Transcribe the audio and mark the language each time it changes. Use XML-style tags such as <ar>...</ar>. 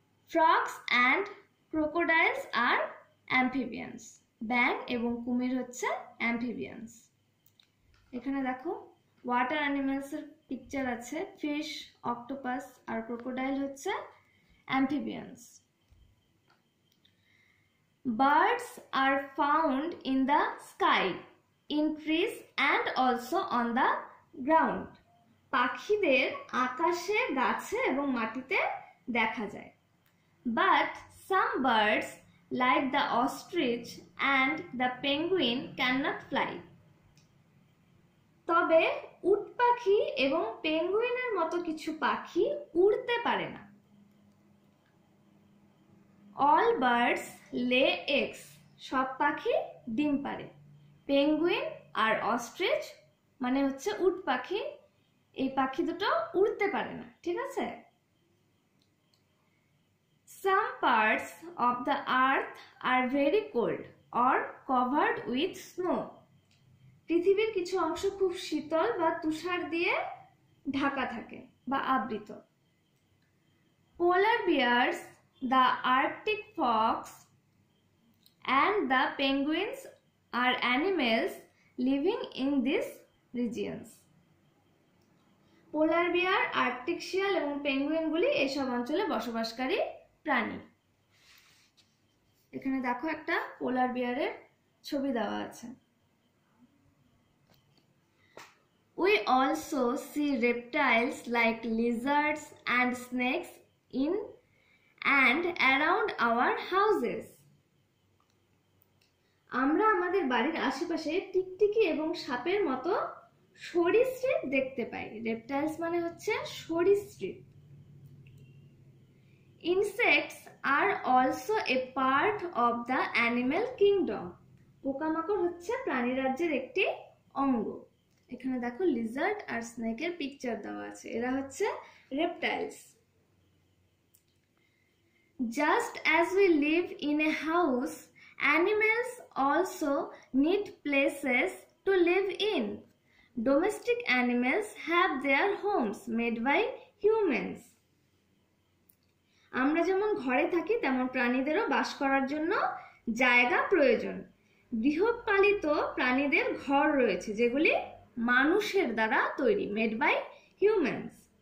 <bn>Frogs and crocodiles আর অ্যাম্ফিবিয়ানস, ব্যাং এবং কুমির হচ্ছে অ্যাম্ফিবিয়ানস. এখানে দেখো ওয়াটার অ্যানিমেলসের পিকচার আছে, ফিশ, অক্টোপাস আর ক্রোকোডাইল হচ্ছে অ্যাম্ফিবিয়ানস.</bn> <en>Birds are found in the sky, in trees and also on the ground.</en> <bn>পাখিদের আকাশে, গাছে এবং মাটিতে দেখা যায়।</bn> <en>But some birds like the ostrich and the penguin cannot fly.</en> <bn>তবে উটপাখি এবং পেঙ্গুইনের মতো কিছু পাখি উড়তে পারে না।</bn> <en>All birds lay eggs.</en> <bn>সব পাখি ডিম পারে। পেঙ্গুইন আর অস্ট্রিচ মানে হচ্ছে উট পাখি, এই পাখি দুটো উড়তে পারে না, ঠিক আছে?</bn> <en>Some parts of the earth are very cold or covered with snow.</en> <bn>পৃথিবীর কিছু অংশ খুব শীতল বা তুষার দিয়ে ঢাকা থাকে বা আবৃত।</bn> <en>Polar bears, the Arctic fox and the penguins are animals living in these regions.</en> <bn>Polar beer, Arctic শিয়াল এবং পেঙ্গুইনগুলি এসব অঞ্চলে বসবাসকারী প্রাণী। এখানে দেখো একটা পোলার বিয়ারের ছবি দেওয়া আছে।</bn> <en>We also see reptiles like lizards and snakes in and around our houses.</en> <bn>আমরা আমাদের বাড়ির আশেপাশে টিকটিকি এবং সাপের মতো সরীসৃপ দেখতে পাই। রেপটাইলস মানে হচ্ছে সরীসৃপ।</bn> <en>Insects are also a part of the animal kingdom.</en> <bn>পোকামাকড় হচ্ছে প্রাণী রাজ্যের একটি অঙ্গ। এখানে দেখো লিজার্ড আর স্নেকের পিকচার দেওয়া আছে, এরা হচ্ছে reptiles.</bn> <en>Just as we live in a house, animals also need places to live in. Domestic animals have their homes made by humans.</en> <bn>আমরা যেমন ঘরে থাকি তেমন প্রাণীদেরও বাস করার জন্য জায়গা প্রয়োজন। গৃহপালিত প্রাণীদের ঘর রয়েছে যেগুলি মানুষের দ্বারা তৈরি,</bn> <en>Made by humans.</en>